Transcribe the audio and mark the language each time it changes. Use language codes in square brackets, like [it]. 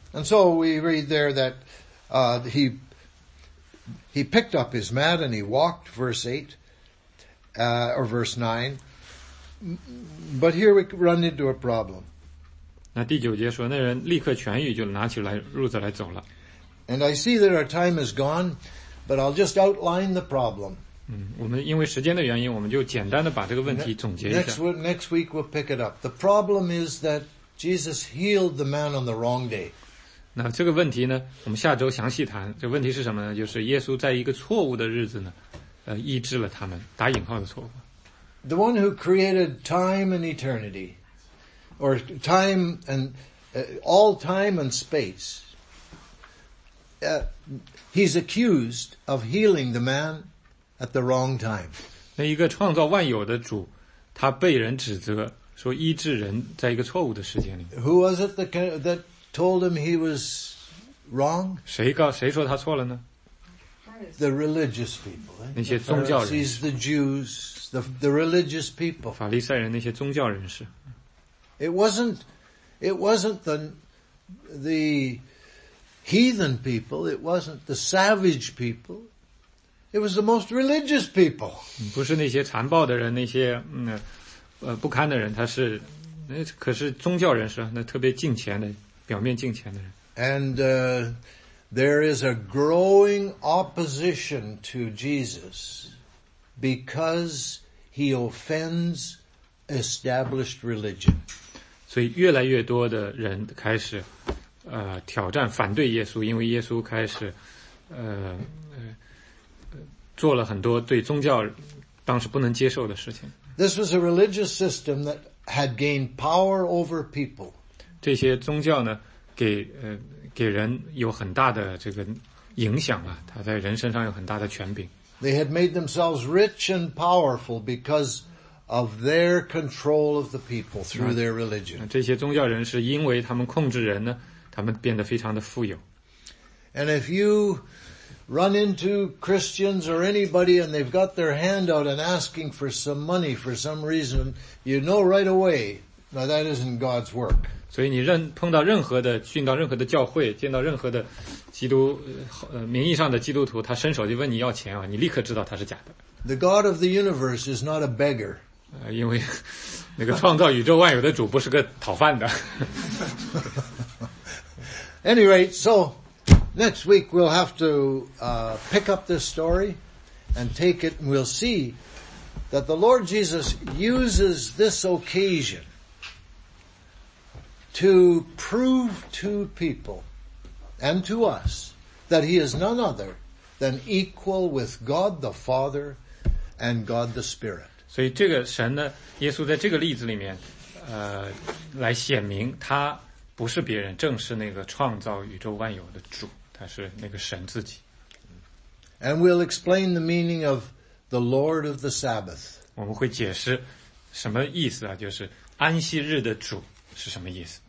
[en] And so we read there that he picked up his mat and he walked, verse 9. But here we run into a problem. [zh] 那第九节说，那人立刻痊愈，就拿起来褥子来走了。 [en] And I see that our time is gone, but I'll just outline the problem. [zh] 我们因为时间的原因，我们就简单的把这个问题总结一下。 [en] Next week we'll pick it up. The problem is that Jesus healed the man on the wrong day. [zh] 那这个问题呢，我们下周详细谈。这问题是什么呢？就是耶稣在一个错误的日子呢，医治了他们，打引号的错误。 [en] The one who created time and eternity, or time and all time and space, he's accused of healing the man at the wrong time. [zh] 那一个创造万有的主，他被人指责说医治人在一个错误的时间里。 [en] Who was it that told him he was wrong? [zh] 谁说他错了呢？ [en] The religious people, [zh] 那些宗教人士 [en] Pharisees, the Jews, the religious people. [zh] 法利赛人那些宗教人士。 [en] It wasn't the heathen people. It wasn't the savage people. It was the most religious people. [zh] 不是那些残暴的人，那些不堪的人，他是那可是宗教人士，那特别敬虔的，表面敬虔的人。 [en] And there is a growing opposition to Jesus because he offends established religion. [zh] 所以越来越多的人开始挑战反对耶稣，因为耶稣开始做了很多对宗教当时不能接受的事情。 [en] This was a religious system that had gained power over people. [zh] 这些宗教呢给人有很大的这个影响啊，他在人身上有很大的权柄。 [en] They had made themselves rich and powerful because of their control of the people through their religion. [zh] 这些宗教人是因为他们控制人呢，他们变得非常的富有。 [en] And if you run into Christians or anybody and they've got their hand out and asking for some money for some reason, you know right away, now that isn't God's work. [zh] 所以你碰到任何的进到任何的教会，见到任何的基督名义上的基督徒，他伸手就问你要钱啊，你立刻知道他是假的。 [en] The God of the universe is not a beggar. [zh] 因为那个创造宇宙万有的主不是个讨饭的。 [en] Anyway, so next week we'll have to pick up this story and take it, and we'll see that the Lord Jesus uses this occasion to prove to people and to us that he is none other than equal with God the Father and God the Spirit. [zh] 所以这个神呢，耶稣在这个例子里面，来显明他不是别人，正是那个创造宇宙万有的主。他是那个神自己。 [en] And we'll explain the meaning of the Lord of the Sabbath. [zh] 我们会解释什么意思啊，就是安息日的主是什么意思。